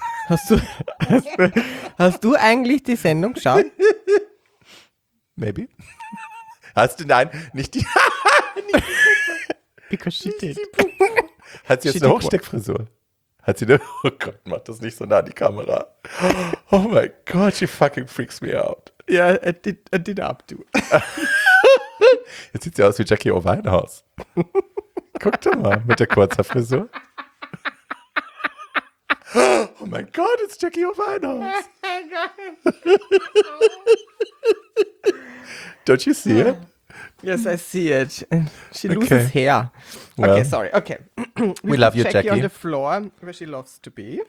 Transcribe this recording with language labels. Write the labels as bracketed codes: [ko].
[de] Hast du eigentlich die Sendung geschaut? Maybe. Hast du, nein, nicht die. [en] Because she did. [de] Hat sie jetzt eine Hochsteckfrisur? Hat sie eine, oh Gott, mach das nicht so nah an die Kamera. [en] Oh my God, she fucking freaks me out. Yeah, I did up to. [de] Jetzt sieht sie aus wie Jackie O. Winehouse. Guck doch mal, mit der kurzen Frisur. Oh Oh mein Gott, it's Jackie O'Vinehouse. [en] Don't you see it? Yes, I see it. She loses okay. hair. Okay, well, sorry. Okay. We love you, Jackie. Jackie on the floor where she loves to be.